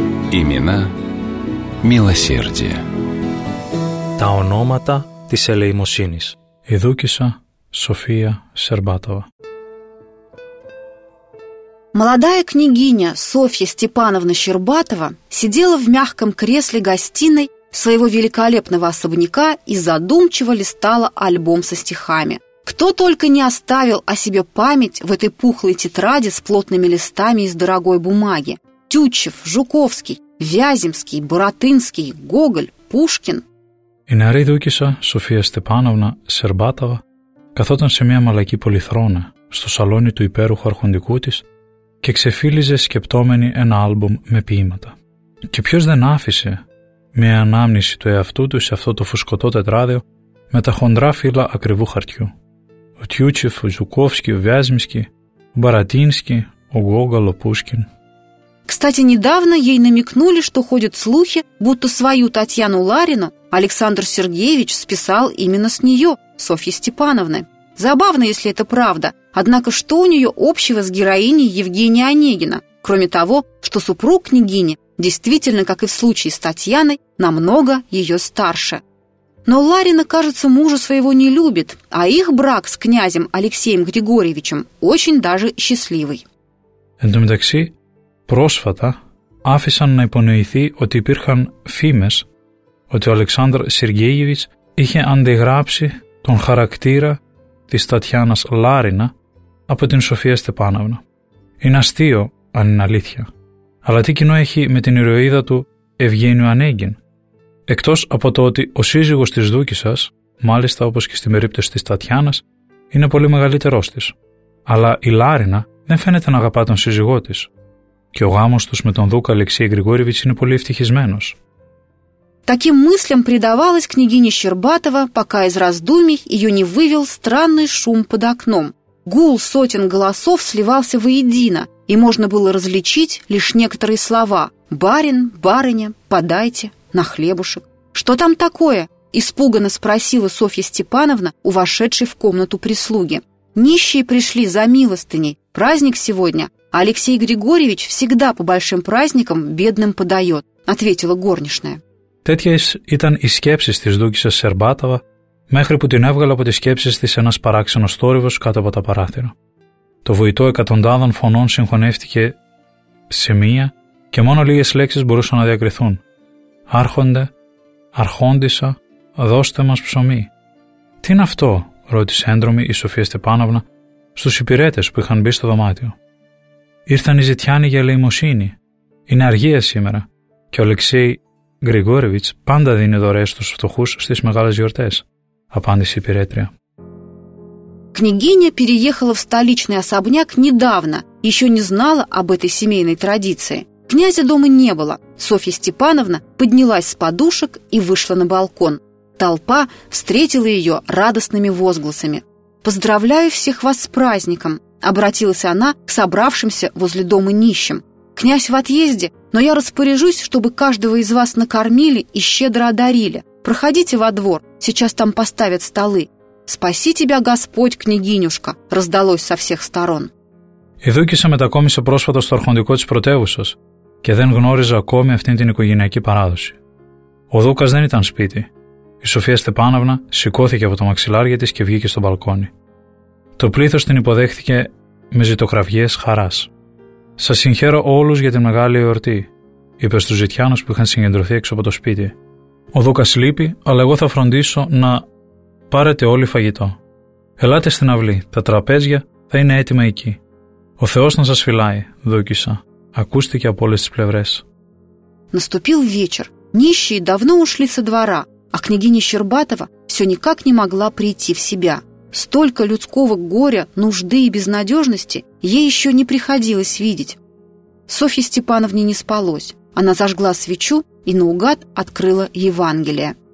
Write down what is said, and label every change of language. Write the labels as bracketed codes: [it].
[ru] Имена милосердия. [el] Τα ονόματα της ελεημοσύνης. Η δούκισσα Σοφία Σερμπάτοβα. [ru] Молодая княгиня Софья Степановна Щербатова сидела в мягком кресле гостиной своего великолепного особняка и задумчиво листала альбом со стихами. Кто только не оставил о себе память в этой пухлой тетради с плотными листами из дорогой бумаги. Тютчев, Жуковский, Вяземский, Боротынский, Гоголь, Пушкин. [el] И нарей дукиса Софья Степановна Щербатова, καθόταν σε μια μαλακή πολυθρόνα στο σαλόνι του υπέροχου αρχοντικού της, και ξεφύλιζε σκεπτόμενη ένα άλμπουμ με ποίηματα. Και ποιος δεν άφησε μια ανάμνηση του εαυτού του σε αυτό το φουσκωτό τετράδιο με τα χοντρά φύλλα ακριβού χαρτιού. Ο Τιούτσεφ, ο Ζουκόφσκι, ο Βιάσμισκι, ο Μπαρατίνσκι, ο Γκόγκαλ, ο Πούσκιν. [ru] Кстати, недавно ей намекнули, что ходят слухи, будто свою Татьяну Ларину Александр Сергеевич списал именно с нее, Софьи Степановны. Забавно, если это правда. Однако, что у нее общего с героиней Евгения Онегина, кроме того, что супруг княгини действительно, как и в случае с Татьяной, намного ее старше. Но Ларина, кажется, мужа своего не любит, а их брак с князем Алексеем Григорьевичем очень даже счастливый. [el] Εν τω μεταξύ, πρόσφατα άφησαν να υπονοηθεί ότι υπήρχαν φήμες ότι ο Αλεξάνδρ Σεργέγεβιτς είχε αντιγράψει τον χαρακτήρα της Τατιάνας Λάρινα από την Σοφία Στεπάναυνα. Είναι αστείο, αν είναι αλήθεια. Αλλά τι κοινό έχει με την ηρωίδα του Ευγένιο Ανέγκιν? Εκτός από το ότι ο σύζυγος της Δούκισσας, μάλιστα όπως και στην περίπτωση της Τατιάνας, είναι πολύ μεγαλύτερός της. Αλλά η Λάρινα δεν φαίνεται να αγαπά τον σύζυγό της. Και ο γάμος τους με τον Δούκα Αλεξία Γρηγόρηβιτς είναι πολύ ευτυχισμένος. [ru] Таким мыслям предавалась княгиня Щербатова, пока из раздумий ее не вывел странный шум под окном. Гул сотен голосов сливался воедино, и можно было различить лишь некоторые слова: «Барин, барыня, подайте, на хлебушек». «Что там такое?» – испуганно спросила Софья Степановна у вошедшей в комнату прислуги. «Нищие пришли за милостыней. Праздник сегодня. Алексей Григорьевич всегда по большим праздникам бедным подает», – ответила горничная. [el] Τέτοιες ήταν οι σκέψεις της Δούκισσας Σερμπάτοβα, μέχρι που την έβγαλε από τις σκέψεις της ένας παράξενος θόρυβος κάτω από τα παράθυρα. Το βουητό εκατοντάδων φωνών συγχωνεύτηκε σε μία και μόνο λίγες λέξεις μπορούσαν να διακριθούν. «Άρχοντε, αρχόντισα, δώστε μας ψωμί». «Τι είναι αυτό?» ρώτησε έντρομη η Σοφία Στεπάναυνα στους υπηρέτες που είχαν μπει στο δωμάτιο. «Ήρθαν οι ζητιάνοι για ελεημοσύνη. Είναι αργία σήμερα και ο Αλεξέη Γρηγόρεβιτς πάντα δίνει δωρές στους φτωχούς στις μεγάλες γιορτές», απάντησε η υπηρέτρια. [ru] Княгиня переехала в столичный особняк недавно, еще не знала об этой семейной традиции. Князя дома не было. Софья Степановна поднялась с подушек и вышла на балкон. Толпа встретила ее радостными возгласами. «Поздравляю всех вас с праздником», – обратилась она к собравшимся возле дома нищим. «Князь в отъезде, но я распоряжусь, чтобы каждого из вас накормили и щедро одарили. Проходите во двор, сейчас там поставят столы. Спаси тебя, Господь, княгинюшка», – раздалось со всех сторон. [el] Η Δούκισσα μετακόμισε πρόσφατα στο αρχοντικό της πρωτεύουσας και δεν γνώριζε ακόμη αυτήν την οικογενειακή παράδοση. Ο Δούκας δεν ήταν σπίτι. Η Σοφία Στεπάναυνα σηκώθηκε από τα μαξιλάρια της και βγήκε στο μπαλκόνι. Το πλήθος την υποδέχθηκε με ζητοκραυγές χαράς. «Σας συγχαίρω όλους για την μεγάλη εορτή», είπε στους ζητιάνους που είχαν συγκεντρωθεί έξω από το σπίτι. «Ο Δούκας λείπει, αλλά εγώ θα φροντίσω να πάρετε όλοι φαγητό. Ελάτε στην αυλή, τα τραπέζια θα είναι έτοιμα εκεί. Ο Θεός να σας φυλάει, Δούκισσα», ακούστηκε από όλες τις πλευρές. [ru] Наступил вечер. Нищие давно ушли со двора, а княгиня Щербатова все никак не могла прийти в себя. Столько людского горя, нужды и безнадежности ей еще не приходилось видеть. Софье Степановне не спалось. Она зажгла свечу и наугад открыла Евангелие.